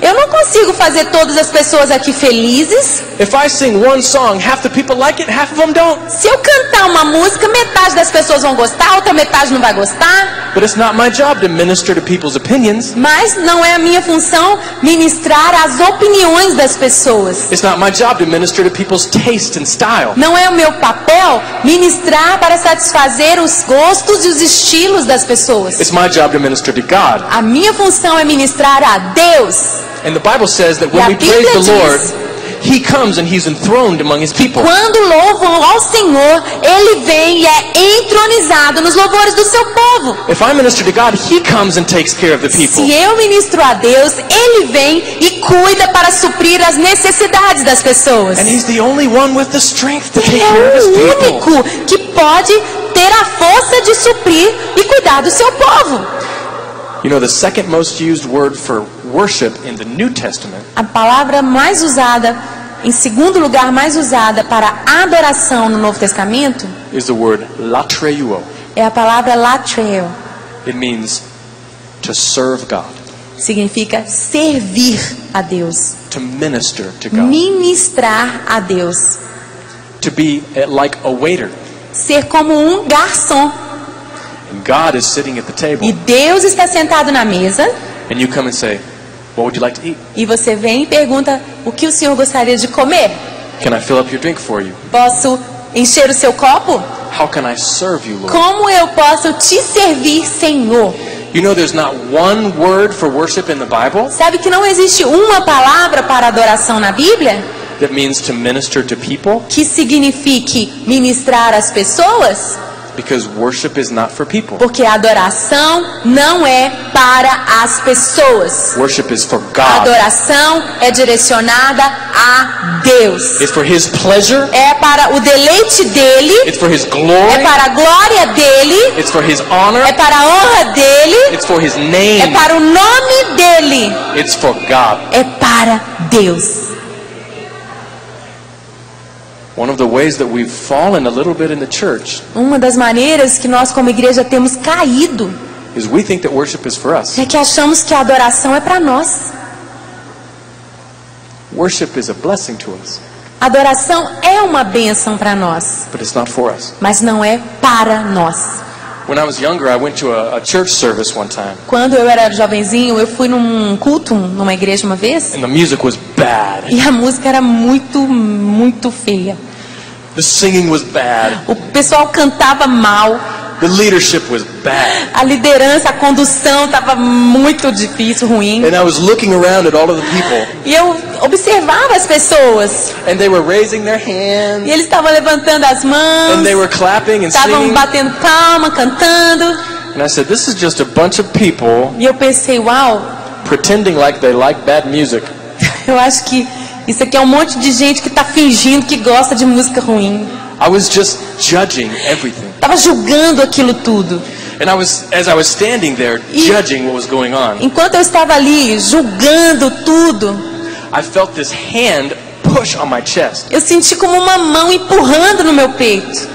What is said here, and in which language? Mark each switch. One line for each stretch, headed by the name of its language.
Portuguese: Eu não consigo fazer todas as pessoas aqui felizes.
English: If I sing one song, half the people like it, half of them don't.
Portuguese: Se eu cantar uma música, metade das pessoas vão gostar, outra metade não vai gostar.
English: But it's not my job to minister to people's opinions.
Portuguese: Mas não é a minha função ministrar as opiniões das pessoas.
English: It's not my job to minister to people's taste and style.
Portuguese: Não é o meu papel ministrar para satisfazer os gostos e os estilos das pessoas.
English: It's my job to minister to God.
Portuguese: A minha função é ministrar a Deus.
English: And the Bible says that when we praise the Lord, He comes and He's enthroned among His people.
Portuguese: Quando louvam ao Senhor, Ele vem e é entronizado nos louvores do seu povo.
English: If I minister to God, He comes and takes care of the people.
Portuguese: Se eu ministro a Deus, Ele vem e cuida para suprir as necessidades das pessoas.
English: And He's the only one with the strength to take care of His people.
Portuguese: É o único que pode ter a força de suprir e cuidar do seu povo.
English: You know, the second most used word for worship in the New Testament.
Portuguese: A palavra mais usada, em segundo lugar mais usada para adoração no Novo Testamento,
English: is the word latreuo.
Portuguese: É a palavra latreo.
English: It means to serve God.
Portuguese: Significa servir a Deus.
English: To minister to God.
Portuguese: Ministrar a Deus.
English: To be like a waiter.
Portuguese: Ser como um garçom.
English: And God is sitting at the table.
Portuguese: E Deus está sentado na mesa.
English: And you come and say, what would you like to eat?
Portuguese: E você vem e pergunta o que o senhor gostaria de comer?
English: Can I fill up your drink for you?
Portuguese: Posso encher o seu copo?
English: How can I serve you, Lord?
Portuguese: Como eu posso te servir, Senhor?
English: You know, there's not one word for worship in the Bible?
Portuguese: Sabe que não existe uma palavra para adoração na Bíblia?
English: That means to minister to people?
Portuguese: Que signifique ministrar às pessoas?
English: Because worship is not for people.
Portuguese: Porque a adoração não é para as pessoas.
English: Worship is for God.
Portuguese: A adoração é direcionada a Deus.
English: It's for His pleasure.
Portuguese: É para o deleite dele.
English: It's for His glory.
Portuguese: É para a glória dele.
English: It's for His honor.
Portuguese: É para a honra dele.
English: It's for His name.
Portuguese: É para o nome dele.
English: It's for God.
Portuguese: É para Deus.
English: One of the ways that we've fallen a little bit in the church.
Portuguese: Uma das maneiras que nós como igreja temos caído.
English: Is we think that worship is for us.
Portuguese: É que achamos que a adoração é para nós.
English: Worship is a blessing to us.
Portuguese: Adoração é uma bênção para nós.
English: But it's not for us.
Portuguese: Mas não é para nós.
English: When I was younger, I went to a church service one time.
Portuguese: Quando eu era jovenzinho, eu fui num culto, numa igreja uma vez.
English: And the music was bad.
Portuguese: E a música era muito, muito feia.
English: The singing was bad.
Portuguese: O pessoal cantava mal.
English: The leadership was bad.
Portuguese: A liderança, a condução estava muito difícil, ruim.
English: And I was looking around at all of the people.
Portuguese: E eu observava as pessoas.
English: And they were raising their hands.
Portuguese: E eles estavam levantando as mãos.
English: And they were clapping and singing.
Portuguese: Estavam batendo palma, cantando.
English: And I said, this is just a bunch of people.
Portuguese: E eu pensei, uau.
English: Pretending like they like bad music.
Portuguese: Eu acho que isso aqui é um monte de gente que está fingindo que gosta de música ruim.
English: I was just judging everything.
Portuguese: Tava julgando aquilo tudo.
English: And as I was standing there judging what was going on.
Portuguese: Enquanto eu estava ali julgando tudo,
English: I felt this hand push on my chest.
Portuguese: Eu senti como uma mão empurrando no meu peito.